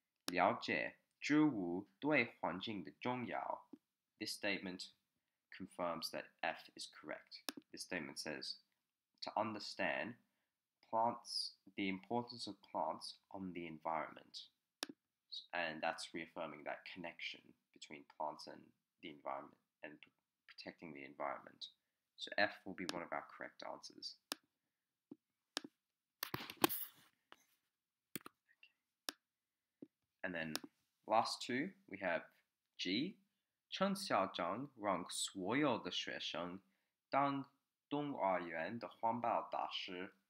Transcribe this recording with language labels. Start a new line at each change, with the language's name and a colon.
Chinese: 了解植物对环境的重要.
English: This statement confirms that F is correct. This statement says, to understand plants, the importance of plants on the environment. And that's reaffirming that connection between plants and the environment and protecting the environment. So F will be one of our correct answers. Okay. And then last two, we have G.
Chinese: 陈小张让所有的学生当东儿园的环保大师.